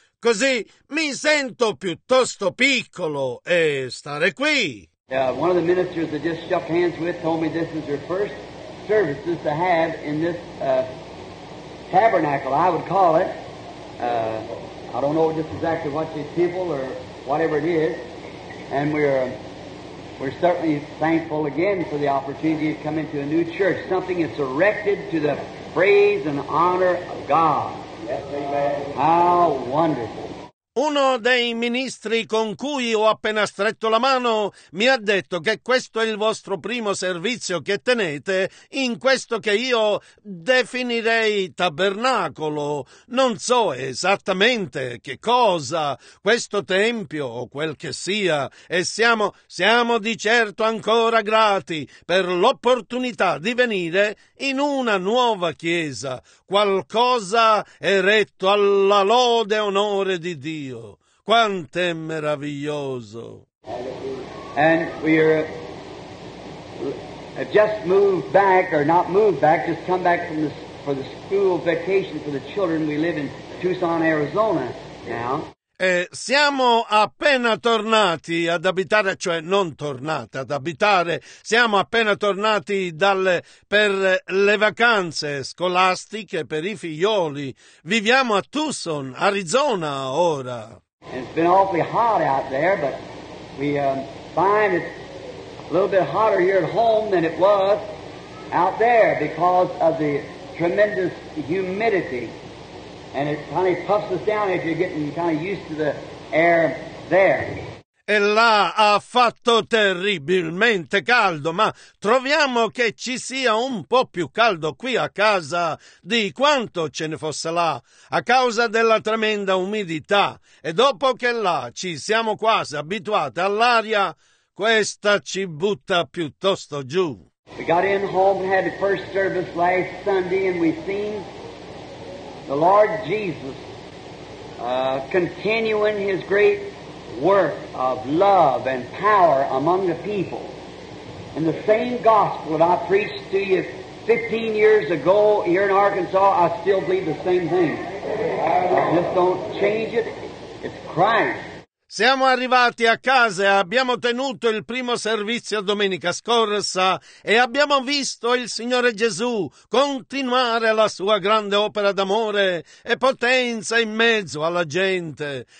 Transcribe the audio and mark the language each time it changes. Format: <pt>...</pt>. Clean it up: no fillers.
<it>Così mi sento piuttosto piccolo e stare qui.</it> <en>One of the ministers I just shook hands with told me this is your first services to have in this tabernacle, I would call it. I don't know just exactly what this temple or whatever it is. And we're certainly thankful again for the opportunity to come into a new church, something that's erected to the praise and honor of God. How wonderful.</en> <it>Uno dei ministri con cui ho appena stretto la mano mi ha detto che questo è il vostro primo servizio che tenete in questo che io definirei tabernacolo. Non so esattamente che cosa, questo tempio o quel che sia, e siamo di certo ancora grati per l'opportunità di venire in una nuova chiesa. Qualcosa eretto alla lode e onore di Dio. Quanto è meraviglioso!</it> <en>And we are just moved back, or not moved back, just come back from this for the school vacation for the children. We live in Tucson, Arizona now.</en> <it>E siamo appena tornati ad abitare, cioè non tornate ad abitare, siamo appena tornati per le vacanze scolastiche per i figlioli. Viviamo a Tucson, Arizona ora.</it> <en>It's been awfully hot out there, but we find it's a little bit hotter here at home than it was out there because of the tremendous humidity. And it kind of puffs us down if you're getting kind of used to the air there.</en> <it>E là ha fatto terribilmente caldo, ma troviamo che ci sia un po' più caldo qui a casa di quanto ce ne fosse là, a causa della tremenda umidità. E dopo che là ci siamo quasi abituati all'aria, questa ci butta piuttosto giù.</it> <en>We got in home, had the first service last Sunday, and we seen the Lord Jesus continuing His great work of love and power among the people. And the same gospel that I preached to you 15 years ago here in Arkansas, I still believe the same thing. I just don't change it. It's Christ.</en> <it>Siamo arrivati a casa e abbiamo tenuto il primo servizio domenica scorsa e abbiamo visto il Signore Gesù continuare la sua grande opera d'amore e potenza in mezzo alla gente.</it>